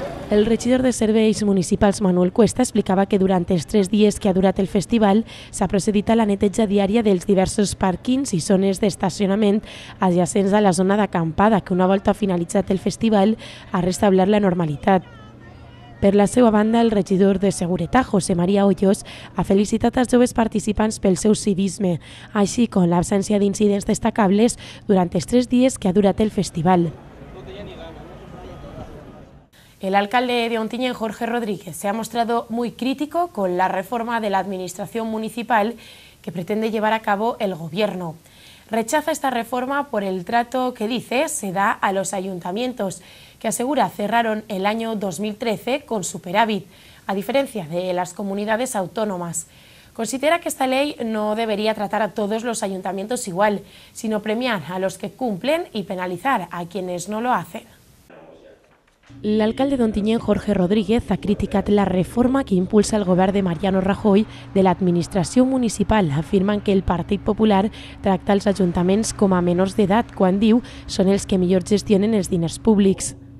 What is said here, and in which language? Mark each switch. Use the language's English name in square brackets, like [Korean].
[Catalan] El regidor de Serveis Municipals, Manuel Cuesta, explicava que durant els tres dies que ha durat el festival s'ha procedit a la neteja diària dels diversos pàrquings i zones d'estacionament adjacents a la zona d'acampada, que una volta finalitzat el festival ha restablert la normalitat. Per la seva banda, el regidor de Seguretat, José María Hoyos, ha felicitat els joves participants pel seu civisme, així com l'absència d'incidents destacables durant els tres dies que ha durat el festival. [Spanish] El alcalde de Ontinyent, Jorge Rodríguez, se ha mostrado muy crítico con la reforma de la administración municipal que pretende llevar a cabo el gobierno. Rechaza esta reforma por el trato que dice se da a los ayuntamientos, que asegura cerraron el año 2013 con superávit, a diferencia de las comunidades autónomas. Considera que esta ley no debería tratar a todos los ayuntamientos igual, sino premiar a los que cumplen y penalizar a quienes no lo hacen. [Catalan] L'alcalde d'Ontinyent, Jorge Rodríguez, ha criticat la reforma que impulsa el govern de Mariano Rajoy de l'administració municipal, afirmant que el Partit Popular tracta els ajuntaments com a menors d'edat, quan diu són els que millor gestionen els diners públics.